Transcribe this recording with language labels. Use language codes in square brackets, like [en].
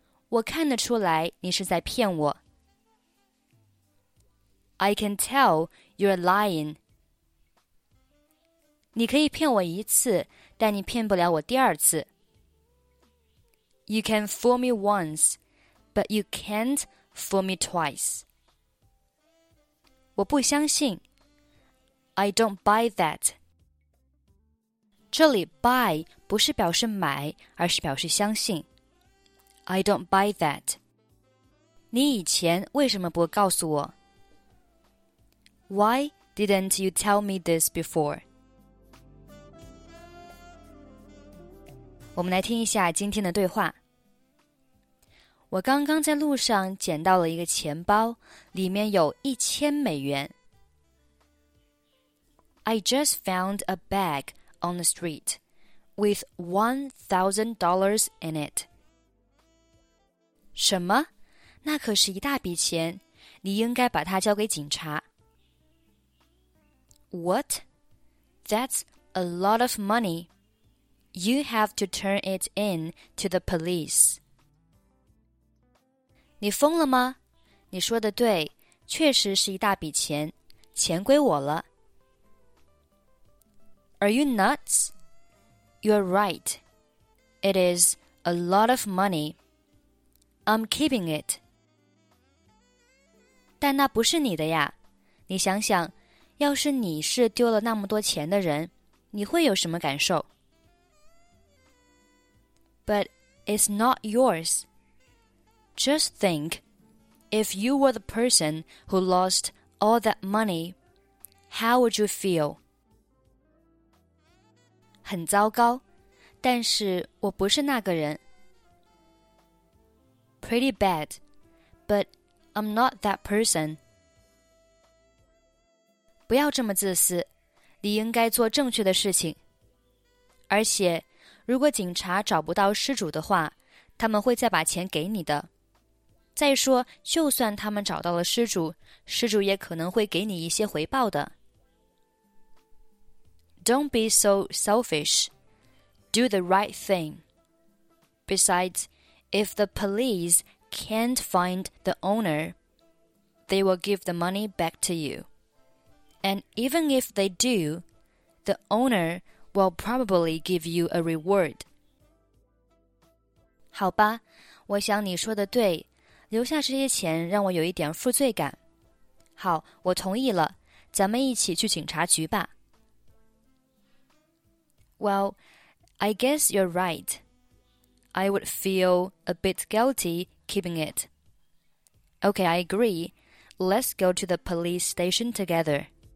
[zh] 我看得出来你是在骗我。 [en] I can tell you're lying. [zh] 你可以骗我一次，但你骗不了我第二次。 [en] You can fool me once, but you can't fool me twice. [zh] 我不相信。 [en] I don't buy that. [zh] 这里 buy 不是表示买，而是表示相信。 [en] I don't buy that. [zh] 你以前为什么不告诉我？ [en] Why didn't you tell me this before? [zh] 我们来听一下今天的对话。我刚刚在路上捡到了一个钱包，里面有1000美元。 [en] I just found a bag on the street with $1,000 in it. [zh] 什么？那可是一大笔钱，你应该把它交给警察。 [en] What? That's a lot of money. You have to turn it in to the police. [zh] 你疯了吗？你说的对，确实是一大笔钱，钱归我了。 [en] Are you nuts? You're right. It is a lot of money. I'm keeping it. [zh] 但那不是你的呀。你想想，要是你是丢了那么多钱的人，你会有什么感受？ [en] But it's not yours. Just think, if you were the person who lost all that money, how would you feel? [zh] 很糟糕，但是我不是那个人。 [en] Pretty bad, but I'm not that person. [zh] 不要这么自私，你应该做正确的事情。而且，如果警察找不到失主的话，他们会再把钱给你的。再说，就算他们找到了失主，失主也可能会给你一些回报的。 [en] Don't be so selfish. Do the right thing. Besides, if the police can't find the owner, they will give the money back to you. And even if they do, the owner will probably give you a reward. [zh] 好吧，我想你说的对。留下这些钱让我有一点负罪感。好，我同意了，咱们一起去警察局吧。 [en] Well, I guess you're right. I would feel a bit guilty keeping it. Okay, I agree. Let's go to the police station together.